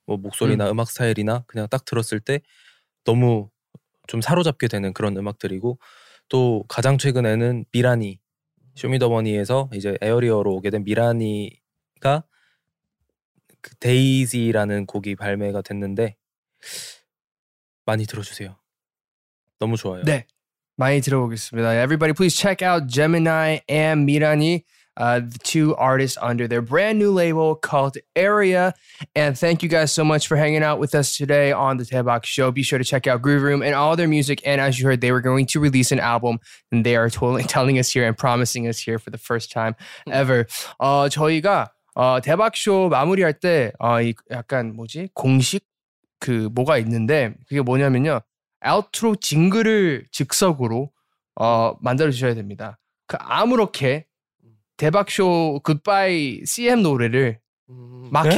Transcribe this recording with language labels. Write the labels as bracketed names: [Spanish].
[Korean] 뭐 목소리나 음악 스타일이나 그냥 딱 들었을 때 너무 좀 사로잡게 되는 그런 음악들이고 또 가장 최근에는 미란이 쇼미더머니에서 이제 에어리어로 오게 된 미라니가 그 데이지라는 곡이 발매가 됐는데 많이 들어주세요. 너무 좋아요. 네, 많이 들어보겠습니다. [English] Everybody, please check out Gemini and Mirani, the two artists under their brand new label called Area. And thank you guys so much for hanging out with us today on the Taebak Show. Be sure to check out Groove Room and all their music. And as you heard, they were going to release an album, and they are totally telling us here and promising us here for the first time ever. [Korean] 저희가 대박 쇼 마무리할 때 약간 뭐지 공식 그 뭐가 있는데 그게 뭐냐면요 아우트로 징글을 즉석으로 만들어 주셔야 됩니다. 그 아무렇게 대박 쇼 굿바이 CM 노래를 막 네?